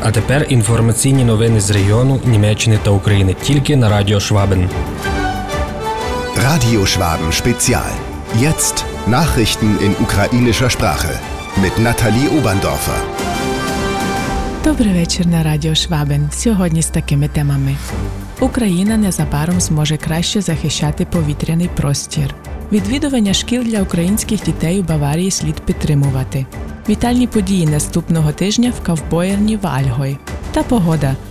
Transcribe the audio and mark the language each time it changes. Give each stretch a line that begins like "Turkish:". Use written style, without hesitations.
Ukrainian: А тепер інформаційні новини з регіону Німеччини та України тільки на Радіо Швабен. Радіо Швабен спеціал.
German: Jetzt Nachrichten in ukrainischer Sprache mit Nathalie Oberndorfer.
Ukrainian: Добрий вечір на Радіо Швабен. Сьогодні з такими темами. Україна незабаром зможе краще захищати повітряний простір. Відвідування шкіл для українських дітей у Баварії слід підтримувати. Вітальні події наступного тижня в ковбоєрні Вальгой. Та погода.